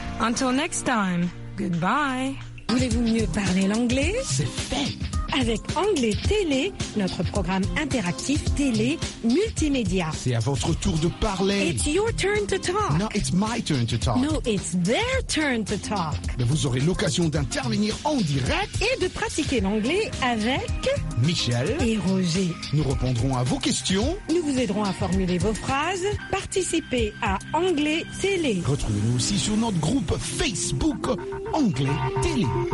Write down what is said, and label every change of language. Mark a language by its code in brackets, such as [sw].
[en] Until next time. Goodbye. [fr] Voulez-vous mieux parler l'anglais? C'est fait. Avec Anglais Télé, notre programme interactif télé multimédia. C'est à votre tour de parler. [en] It's your turn to talk. No, it's my turn to talk. No, it's their turn to talk. [fr] Mais vous aurez l'occasion d'intervenir en direct. Et de pratiquer l'anglais avec... Michel. Et Roger. Nous répondrons à vos questions. Nous vous aiderons à formuler vos phrases. Participez à Anglais Télé. Retrouvez-nous aussi sur notre groupe Facebook Anglais Télé.